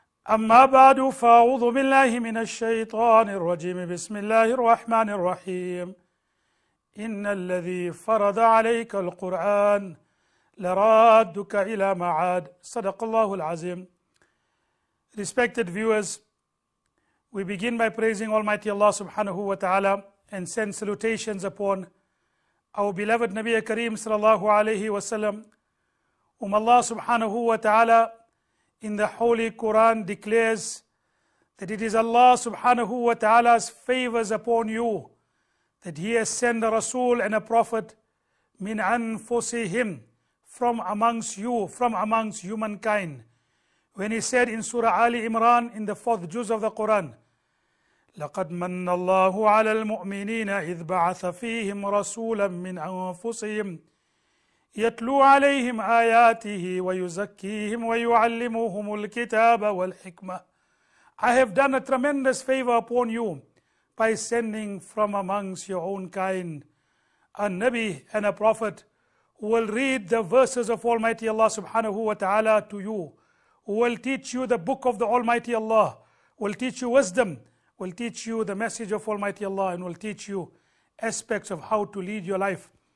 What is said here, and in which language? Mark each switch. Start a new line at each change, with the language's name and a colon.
Arabic: أما بعد فأعوذ بالله من الشيطان الرجيم بسم الله الرحمن الرحيم إن الذي فرض عليك القرآن لرادك إلى معاد صدق الله العظيم.
English: Respected viewers, we begin by praising Almighty Allah subhanahu wa ta'ala and send salutations upon our beloved Nabi Kareem sallallahu alayhi wa sallam, whom Allah subhanahu wa ta'ala in the Holy Quran declares that it is Allah subhanahu wa ta'ala's favors upon you that he has sent a Rasul and a Prophet min anfusihim, from amongst you, from amongst humankind. When he said in Surah Ali Imran in the fourth juz of the Quran,
Arabic: لقد من الله على المؤمنين إذ بعث فيهم رسولا من أنفسهم يتلو عليهم آياته ويزكيهم ويعلمهم الكتاب والحكمة.
English: I have done a tremendous favor upon you by sending from amongst your own kind a Nabi and a Prophet who will read the verses of Almighty Allah subhanahu wa ta'ala to you, who will teach you the book of the Almighty Allah, will teach you wisdom, will teach you the message of Almighty Allah, and will teach you aspects of how to lead your life.